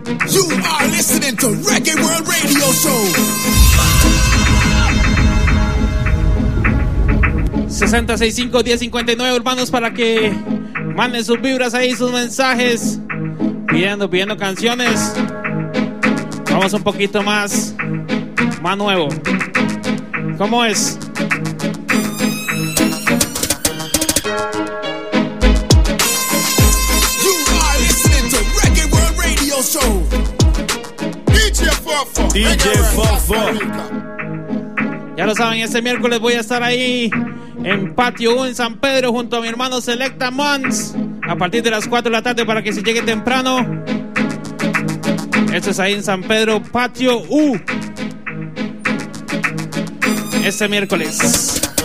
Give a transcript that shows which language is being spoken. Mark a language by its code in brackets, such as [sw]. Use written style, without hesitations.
[en] You are listening to Reggae World Radio Show. [es] 6651059 urbanos para que manden sus vibras ahí, sus mensajes, pidiendo, canciones. Vamos un poquito más, nuevo. ¿Cómo es? [en] You are listening to Reggae World Radio Show. DjFofo. DjFofo. [es] Ya lo saben, este miércoles voy a estar ahí en Patio 1 en San Pedro junto a mi hermano Selecta Mons a partir de las 4 de la tarde para que se llegue temprano. Esto es ahí en San Pedro, Patio 1, este miércoles.